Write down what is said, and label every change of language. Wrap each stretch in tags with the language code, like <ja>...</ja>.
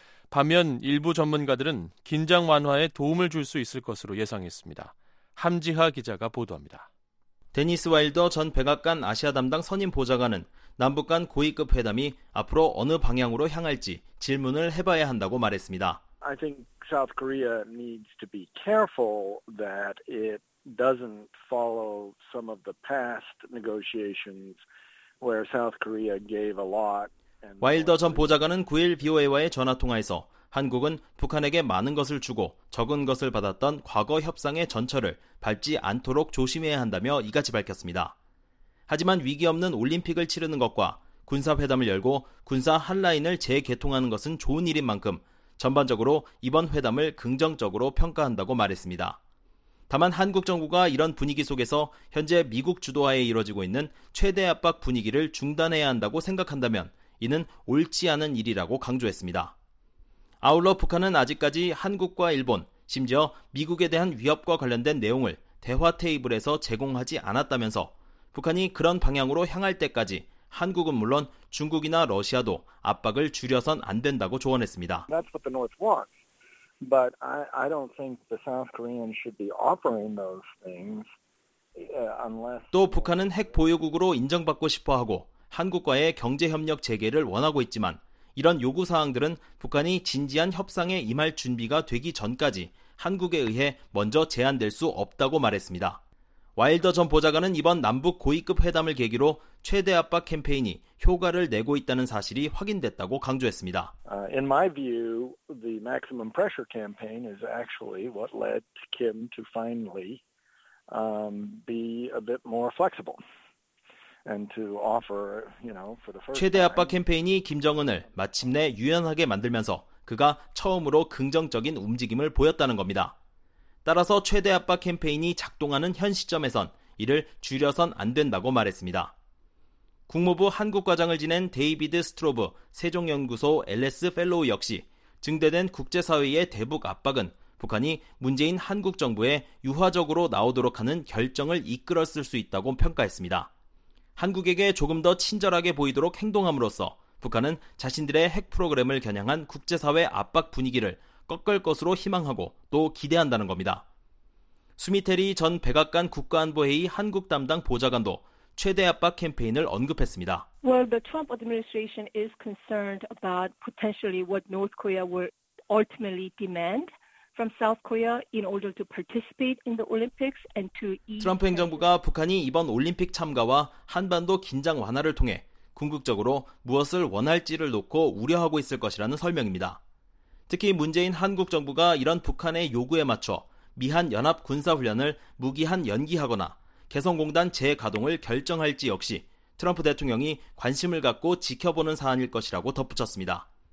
<ko>반면 일부 전문가들은 긴장 완화에 도움을 줄 수 있을 것으로 예상했습니다. 함지하 기자가 보도합니다. 데니스 와일더 전 백악관 아시아 담당 선임 보좌관은 남북 간 고위급 회담이 앞으로 어느 방향으로 향할지 질문을 해봐야 한다고 말했습니다.</ko> <en>I think South Korea needs to be careful that it doesn't follow some of the past negotiations where South Korea gave a lot.</en> <ko>와일더 전 보좌관은 9일 VOA와의 전화통화에서 한국은 북한에게 많은 것을 주고 적은 것을 받았던 과거 협상의 전철을 밟지 않도록 조심해야 한다며 이같이 밝혔습니다. 하지만 위기 없는 올림픽을 치르는 것과 군사회담을 열고 군사 핫라인을 재개통하는 것은 좋은 일인 만큼 전반적으로 이번 회담을 긍정적으로 평가한다고 말했습니다. 다만 한국 정부가 이런 분위기 속에서 현재 미국 주도하에 이뤄지고 있는 최대 압박 분위기를 중단해야 한다고 생각한다면 이는 옳지 않은 일이라고 강조했습니다. 아울러 북한은 아직까지 한국과 일본, 심지어 미국에 대한 위협과 관련된 내용을 대화 테이블에서 제공하지 않았다면서 북한이 그런 방향으로 향할 때까지 한국은 물론 중국이나 러시아도 압박을 줄여선 안 된다고 조언했습니다.</ko> <en>That's what the North wants. But I don't think the South Koreans should be offering those things unless</en> <ko>또 북한은 핵 보유국으로 인정받고 싶어 하고 한국과의 경제협력 재개를 원하고 있지만 이런 요구사항들은 북한이 진지한 협상에 임할 준비가 되기 전까지 한국에 의해 먼저 제한될 수 없다고 말했습니다. 와일더 전 보좌관은 이번 남북 고위급 회담을 계기로 최대 압박 캠페인이 효과를 내고 있다는 사실이 확인됐다고 강조했습니다.</ko> <en>In my view, the maximum pressure campaign is actually what led Kim to finally be a bit more flexible.</en> <ko>최대 압박 캠페인이 김정은을 마침내 유연하게 만들면서 그가 처음으로 긍정적인 움직임을 보였다는 겁니다. 따라서 최대 압박 캠페인이 작동하는 현 시점에선 이를 줄여선 안 된다고 말했습니다. 국무부 한국과장을 지낸 데이비드 스트로브 세종연구소 LS 펠로우 역시 증대된 국제사회의 대북 압박은 북한이 문재인 한국 정부에 유화적으로 나오도록 하는 결정을 이끌었을 수 있다고 평가했습니다. 한국에게 조금 더 친절하게 보이도록 행동함으로써 북한은 자신들의 핵 프로그램을 겨냥한 국제사회 압박 분위기를 꺾을 것으로 희망하고 또 기대한다는 겁니다. 수미테리 전 백악관 국가안보회의 한국 담당 보좌관도 최대 압박 캠페인을 언급했습니다.</ko> <en>Well, the Trump administration is concerned about potentially what North Korea will ultimately demand.</en> <ko>트럼프 행정부가 북한이 이번 올림픽 참가와 한반도 긴장 완화를 통해 궁극적으로 무엇을 원할지를 놓고 우려하고 있을 것이라는 설명입니다. 특히 문재인 한국 정부가 이런 북한의 요구에 맞춰 미한 연합 군사훈련을 무기한 연기하거나 개성공단 재가동을 결정할지 역시 트럼프 대통령이 관심을 갖고 지켜보는 사안일 것이라고 덧붙였습니다.</ko>